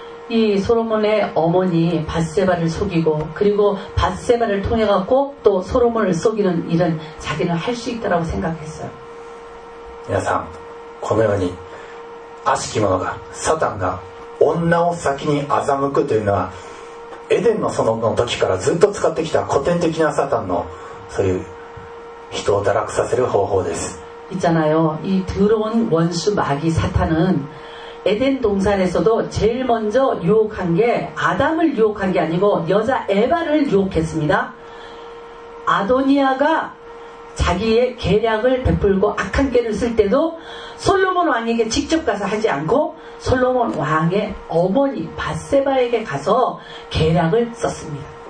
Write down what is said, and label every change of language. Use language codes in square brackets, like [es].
[ko] 이 소로몬의 어머니 바세바를 속이고 그리고 바세바를 통해 갖고 또 소로몬을 속이는 일은 자기는 할 수 있다라고 생각했어요. [ja] 여러분,このように悪しき者がサタンが 女を先に欺くというのはエデンの園の時からずっと使ってきた古典的なサタンのそういう人を堕落させる方法です。 [ko] 있잖아요. 이 더러운 원수 마귀 사탄은 에덴 동산에서도 제일 먼저 유혹한 게 아담을 유혹한 게 아니고 여자 에바를 유혹했습니다. 아도니아가 자기의 계략을 베풀고 악한 계를 쓸 때도 솔로몬 왕에게 직접 가서 하지 않고 솔로몬 왕의 어머니 바세바에게 가서 계략을 썼습니다.